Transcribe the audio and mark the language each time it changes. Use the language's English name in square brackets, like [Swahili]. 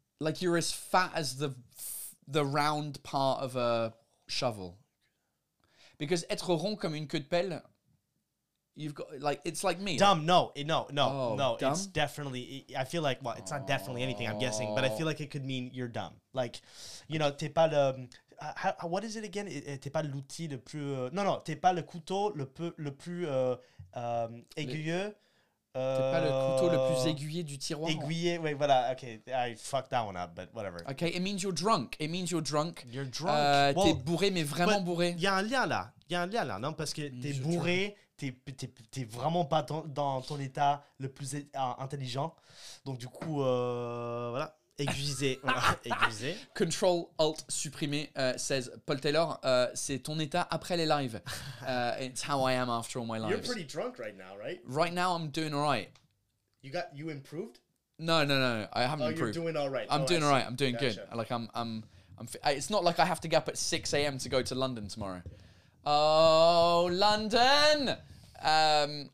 [English] Like you're as fat as the round part of a shovel. Because [French] être rond comme une queue de pelle, [English] You've got, like, it's like me. Dumb, no, no, no, no. Dumb? It's definitely, I feel like, well, it's not definitely anything, I'm guessing, but I feel like it could mean you're dumb. Like, you know, [French] t'es pas le, [English] how, what is it again? [French] T'es pas l'outil le plus, [English] no, no, [French] t'es pas le couteau le plus aiguilleux. T'es pas le couteau le plus aiguillé du tiroir. [English] Aiguillé, wait, voilà, okay, I fucked that one up, but whatever. Okay, it means you're drunk, it means you're drunk. You're drunk. Well, [French] t'es bourré, mais vraiment bourré. Il y a un lien là, il y a un lien là, non, parce que t'es bourré, t'es vraiment pas dans ton état le plus intelligent. Donc du coup, voilà, aiguisé, voilà, aiguisé. Control, Alt, supprimé, [English] says [French] Paul Taylor, c'est ton état après les lives. [English] It's how I am after all my lives. You're pretty drunk right now, right? Right now, I'm doing all right. You improved? No, I haven't improved. Oh, you're doing all right. I'm doing all right, I'm doing good. Like, it's not like I have to get up at 6 a.m. to go to London tomorrow. Oh, London!